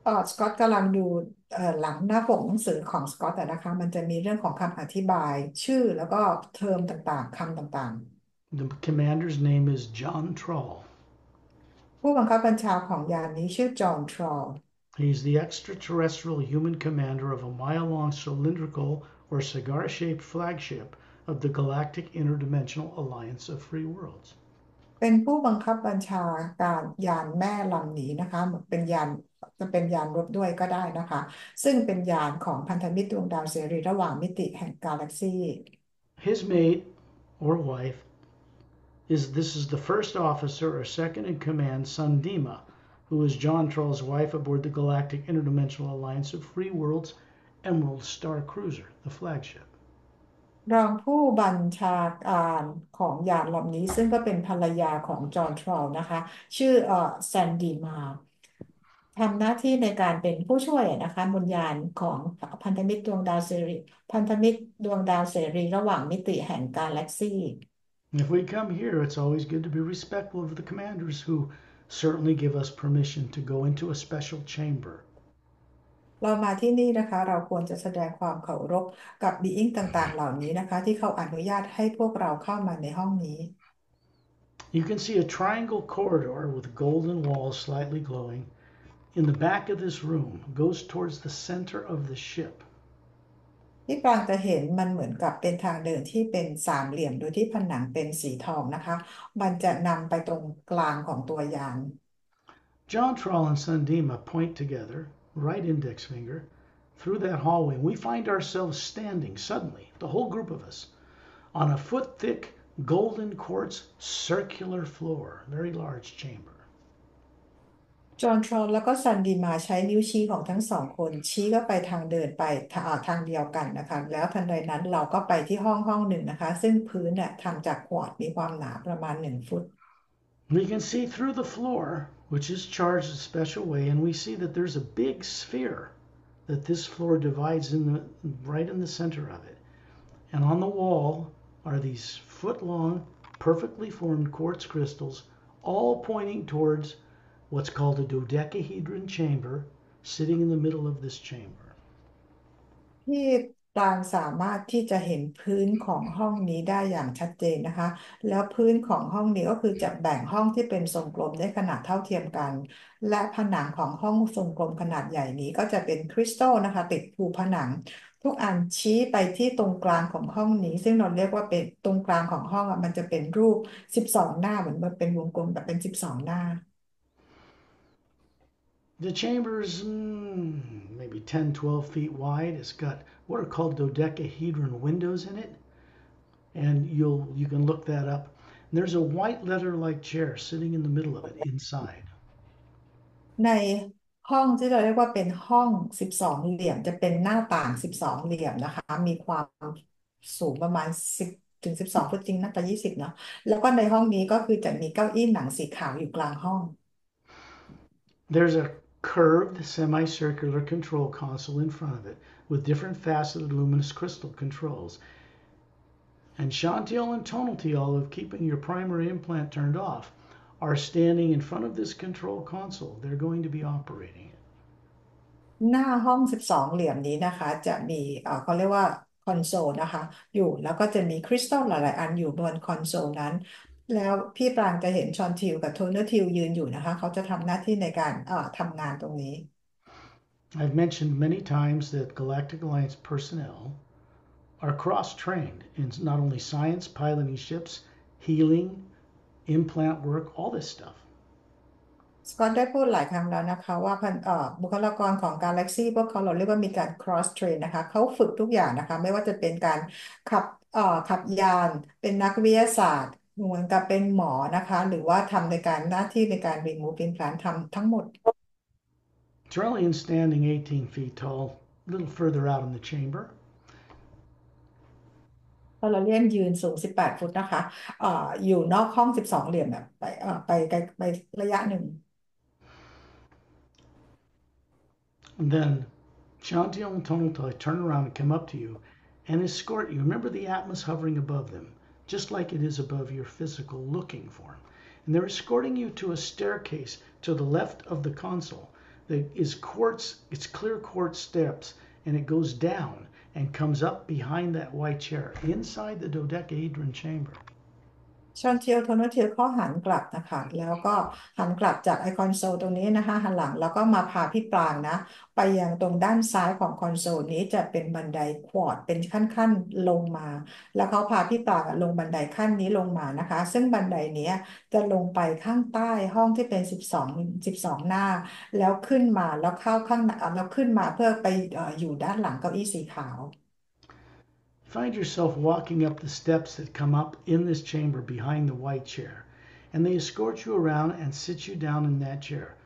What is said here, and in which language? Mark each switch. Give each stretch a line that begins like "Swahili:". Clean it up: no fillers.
Thai: สกอตกำลังดูหลังหน้าปกหนังสือของสกอตแต่นะคะมันจะมีเรื่องของคำอธิบายชื่อแล้วก็เทอมต่างๆคำต่างๆ
English: The commander's name is John Troll.
Thai: ผู้บังคับบัญชาของยานนี้ชื่อจอห์นทรอล
English: He's the extraterrestrial human commander of a mile-long cylindrical or cigar-shaped flagship of the Galactic Interdimensional Alliance of Free Worlds.
Thai: เป็นผู้บังคับบัญชาการยานแม่ลำนี้นะคะเป็นยานจะเป็นยานรบด้วยก็ได้นะคะซึ่งเป็นยานของพันธมิตรดวงดาวเสรีระหว่างมิติแห่งกาแล็กซี
English: His mate or wife is this is the first officer or second in command Sundima, who is John Troll's wife aboard the Galactic Interdimensional Alliance of Free Worlds Emerald Star Cruiser, the flagship.
Thai: รองผู้บัญชาการของยานลำนี้ซึ่งก็เป็นภรรยาของจอห์นทรอลนะคะชื่อแซนดีมาทำหน้าที่ในการเป็นผู้ช่วยนะคะบนยานของพันธมิตรดวงดาวเสรีพันธมิตรดวงดาวเสรีระหว่างมิติแห่งกาแล็กซี่
English: If we come here, it's always good to be respectful of the commanders who certainly give us permission to go into a special chamber.
Thai: เรามาที่นี่นะคะเราควรจะแสดงความเคารพกับบีอิงต่างๆเหล่านี้นะคะที่เขาอนุญาตให้พวกเราเข้ามาในห้องนี้
English: You can see a triangle corridor with golden walls slightly glowing in the back of this room goes towards the center of the ship.
Thai: พี่ปรางจะเห็นมันเหมือนกับเป็นทางเดินที่เป็นสามเหลี่ยมโดยที่ผนังเป็นสีทองนะคะมันจะนำไปตรงกลางของตัวยาน
English: จอห์น ทรอล
Thai: และ
English: ซันดีมา point together, right index finger, through that hallway. We find ourselves standing suddenly, the whole group of us, on a foot thick golden quartz circular floor, very large chamber.
Thai: จอห์นทรอลแล้วก็ซันดีมาใช้นิ้วชี้ของทั้งสองคนชี้ก็ไปทางเดินไปทางเดียวกันนะคะแล้วทันใดนั้นเราก็ไปที่ห้องหนึ่งนะคะซึ่งพื้นเนี่ยทำจากควอตซ์มีความหนาประมาณ1 ฟุต
English: We can see through the floor, which is charged a special way, and we see that there's a big sphere that this floor divides in the right in the center of it. And on the wall are these foot-long, perfectly formed quartz crystals, all pointing towards what's called a dodecahedron chamber, sitting in the middle of this chamber.
Thai: ต่างสามารถที่จะเห็นพื้นของห้องนี้ได้อย่างชัดเจนนะคะแล้วพื้นของห้องนี้ก็คือจะแบ่งห้องที่เป็นทรงกลมได้ขนาดเท่าเทียมกันและผนังของห้องทรงกลมขนาดใหญ่นี้ก็จะเป็นคริสตัลนะคะติดภูผนังทุกอันชี้ไปที่ตรงกลางของห้องนี้ซึ่งเราเรียกว่าเป็นตรงกลางของห้องอ่ะมันจะเป็นรูป12 หน้าเหมือนมันเป็นวงกลมแต่เป็น12 หน้า
English: The chamber is maybe 10, 12 feet wide. It's got what are called dodecahedron windows in it. And you can look that up. And there's a white leather-like chair sitting in the middle of it inside.
Thai: ในห้องที่เราเรียกว่าเป็นห้อง12 เหลี่ยมจะเป็นหน้าต่าง12 เหลี่ยมนะคะมีความสูงประมาณ10 ถึง 12 ฟุตจริงน่าจะ20เนาะแล้วก็ในห้องนี้ก็คือจะมีเก้าอี้หนังสีขาวอยู่กลางห้อง
English: There's a curved semicircular control console in front of it with different faceted luminous crystal controls. And Chantiel and Tonaltiel, of keeping your primary implant turned off, are standing in front of this control console. They're going to be operating it.
Thai: หน้าห้อง12 เหลี่ยมนี้นะคะจะมีเขาเรียกว่าคอนโซลนะคะอยู่แล้วก็จะมีคริสตัลหลายๆอันอยู่บนคอนโซลนั้นแล้วพี่ปรางจะเห็นชอนทิวกับโทนเนอร์ทิวยืนอยู่นะคะเขาจะทำหน้าที่ในการทำงานตรงนี้
English: I've mentioned many times that Galactic Alliance personnel are cross-trained in not only science, piloting ships, healing, implant work, all this stuff.
Thai: สก็อตได้พูดหลายครั้งแล้วนะคะว่าบุคลากรของกาแล็กซี่พวกเขาเราเรียกว่ามีการ cross-train นะคะเขาฝึกทุกอย่างนะคะไม่ว่าจะเป็นการขับยานเป็นนักวิทยาศาสตร์เหมือนกับเป็นหมอนะคะหรือว่าทำในการหน้าที่ในการรีมูฟอิมแพลนท์ทำทั้งหมด
English: Trellian standing 18 feet tall, a little further out in the chamber.
Thai: พอเราเรียนยืนสูง18 ฟุตนะคะอยู่นอกห้อง12 เหลี่ยมแบบไประยะหนึ่ง
English: And then, Chantiel and Tonaltai turn around and come up to you and escort you. Remember the Atmos hovering above them, just like it is above your physical looking form. And they're escorting you to a staircase to the left of the console. That is quartz, it's clear quartz steps, and it goes down and comes up behind that white chair inside the dodecahedron chamber.
Thai: ชอนเทียวโทนเทียวเขาหันกลับนะคะแล้วก็หันกลับจากไอคอนโซลตรงนี้นะคะหันหลังแล้วก็มาพาพี่ปรางนะไปยังตรงด้านซ้ายของคอนโซลนี้จะเป็นบันไดควอดเป็นขั้นๆลงมาแล้วเขาพาพี่ปรางลงบันไดขั้นนี้ลงมานะคะซึ่งบันไดนี้จะลงไปข้างใต้ห้องที่เป็น12 หน้าแล้วขึ้นมาแล้วเข้าข้างแล้วขึ้นมาเพื่อไปอยู่ด้านหลังเก้าอี้สีขาว
English: Find yourself walking up the steps that come up in this chamber behind the white chair, and they escort you around and sit you down in that chair.